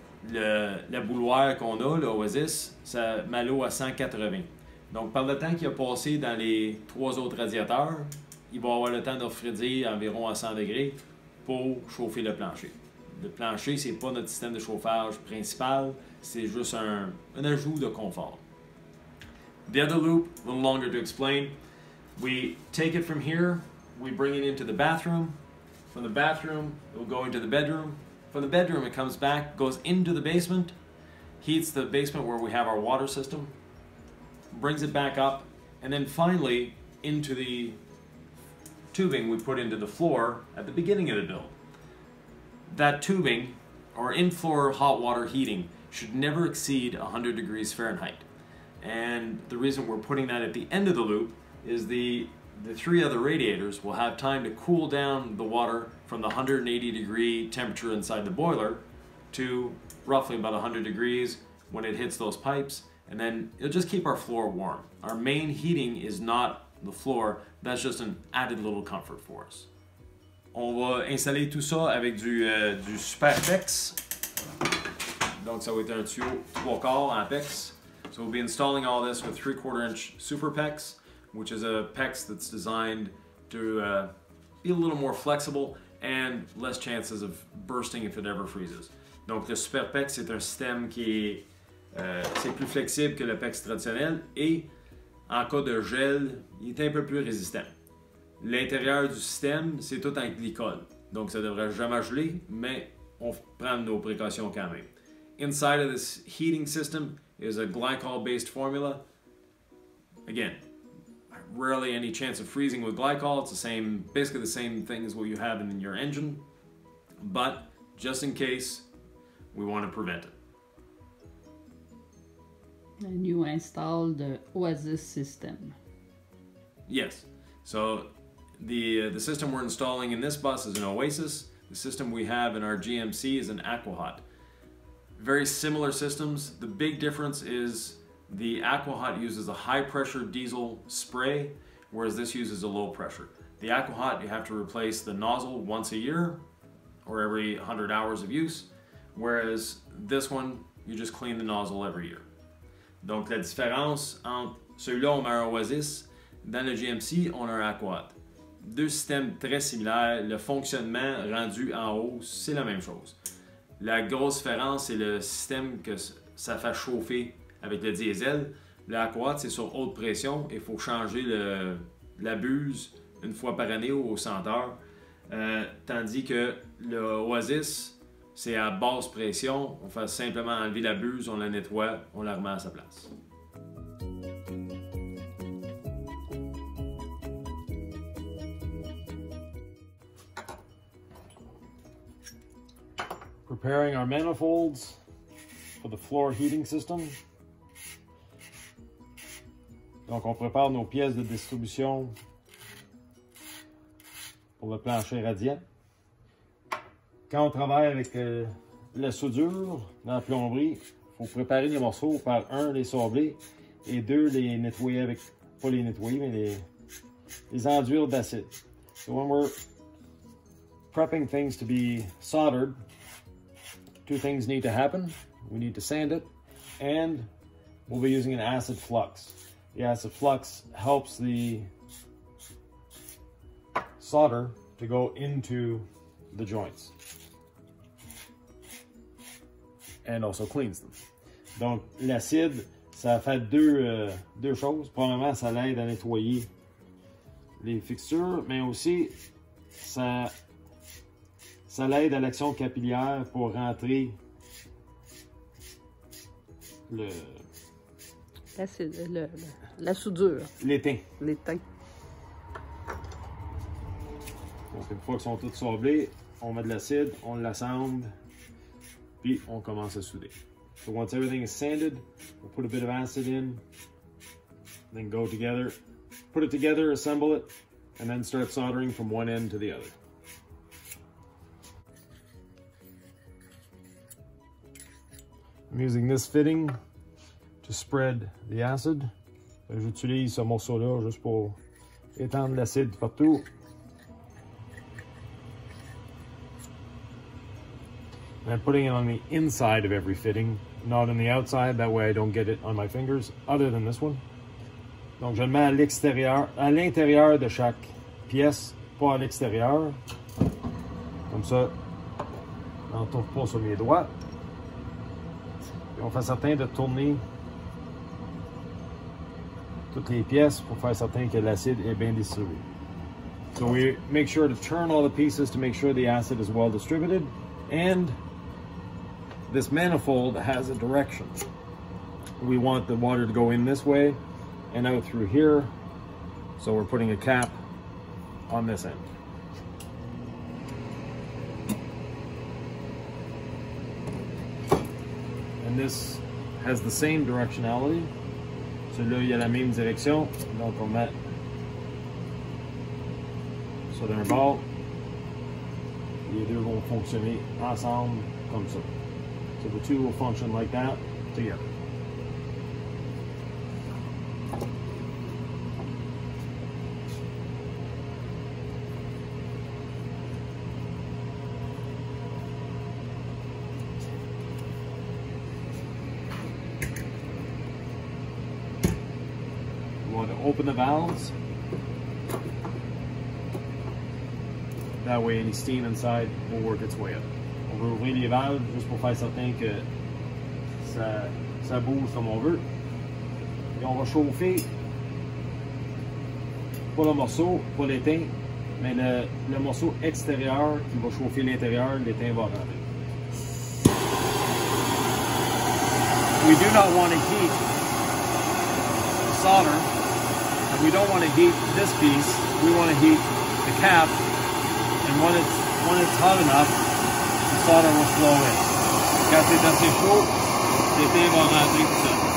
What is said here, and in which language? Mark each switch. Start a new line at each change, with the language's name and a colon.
French: La bouilloire qu'on a, l'Oasis, ça met l'eau à 180. Donc par le temps qu'il a passé dans les trois autres radiateurs, il va avoir le temps de refroidir environ à 100 degrés. Pour chauffer le plancher. Le plancher, c'est pas notre système de chauffage principal, c'est juste un ajout de confort.
English: The other loop, a little longer to explain. We take it from here, we bring it into the bathroom. From the bathroom, it will go into the bedroom. From the bedroom, it comes back, goes into the basement, heats the basement where we have our water system, brings it back up, and then finally into the tubing we put into the floor at the beginning of the build. That tubing, or in-floor hot water heating, should never exceed 100 degrees Fahrenheit. And the reason we're putting that at the end of the loop is the three other radiators will have time to cool down the water from the 180 degree temperature inside the boiler to roughly about 100 degrees when it hits those pipes, and then it'll just keep our floor warm. Our main heating is not the floor, that's just an added little comfort for us.
French: On va installer tout ça avec du Superpex. Donc ça va être un tuyau 3/4 en PEX.
English: So we'll be installing all this with 3/4 inch Superpex, which is a PEX that's designed to be a little more flexible and less chances of bursting if it ever freezes.
French: Donc le Superpex est un système qui c'est plus flexible que le PEX traditionnel et en cas de gel, il est un peu plus résistant. L'intérieur du système, c'est tout en glycol. Donc ça devrait jamais geler, mais on prend nos précautions quand même.
English: Inside of this heating system is a glycol-based formula. Again, rarely any chance of freezing with glycol. It's the same, basically the same thing as what you have in your engine. But just in case, we want to prevent it. And you install the Oasis system. Yes. So the system we're installing in this bus is an Oasis. The system we have in our GMC is an Aquahot. Very similar systems. The big difference is The AquaHot uses a high pressure diesel spray, whereas this uses a low pressure. The AquaHot, you have to replace the nozzle once a year or every 100 hours of use, whereas this one, you just clean the nozzle every year.
French: Donc la différence entre celui-là, on a un Oasis, dans le GMC, on a un AquaHot. Deux systèmes très similaires, le fonctionnement rendu en haut, c'est la même chose. La grosse différence, c'est le système que ça fait chauffer avec le diesel. Le AquaHot, c'est sur haute pression, il faut changer la buse une fois par année ou au senteur. Tandis que le Oasis, c'est à basse pression, on fait simplement enlever la buse, on la nettoie, on la remet à sa place.
English: Preparing our manifolds for the floor heating system.
French: Donc on prépare nos pièces de distribution pour le plancher radiant. Quand on travaille avec la soudure dans la plomberie, il faut préparer les morceaux par un, les sabler et deux, les nettoyer avec, pas les nettoyer, mais les enduire d'acide.
English: So when we're prepping things to be soldered, two things need to happen. We need to sand it, and we'll be using an acid flux. The acid flux helps the solder to go into the joints and also cleans them.
French: Donc l'acide, ça fait deux choses. Premièrement, ça l'aide à nettoyer les fixtures, mais aussi ça l'aide à l'action capillaire pour rentrer la soudure. L'étain. Donc une fois qu'ils sont tous sablés, on met de l'acide, on l'assemble, puis on commence à souder.
English: So once everything is sanded, we'll put a bit of acid in, then go together, put it together, assemble it, and then start soldering from one end to the other. I'm using this fitting to spread the acid.
French: J'utilise ce morceau-là juste pour étendre l'acide partout.
English: And I'm putting it on the inside of every fitting, not on the outside, that way I don't get it on my fingers, other than this one.
French: Donc je le mets à l'intérieur de chaque pièce, pas à l'extérieur. Comme ça, on n'en trouve pas sur mes doigts. Et on fait certain de tourner toutes les pièces pour faire certain que l'acide est bien distribué.
English: So we make sure to turn all the pieces to make sure the acid is well distributed, and this manifold has a direction. We want the water to go in this way and out through here, so we're putting a cap on this end. And this has the same directionality.
French: Celui-là, il y a la même direction, donc on met ça d'un bord. Les deux vont fonctionner ensemble comme ça.
English: So the two will function like that together. Open the valves. That way any steam inside will work its way up.
French: On va ouvrir les valves juste pour faire certain que ça bouge comme on veut. Et on va chauffer pas le morceau, pas l'étain, mais le morceau extérieur qui va chauffer l'intérieur, l'étain va rentrer.
English: We do not want to heat the solder. We don't want to heat this piece, we want to heat the cap, and when it's hot enough, the solder will flow in.
French: Quand c'est assez chaud, l'étain va rentrer tout seul.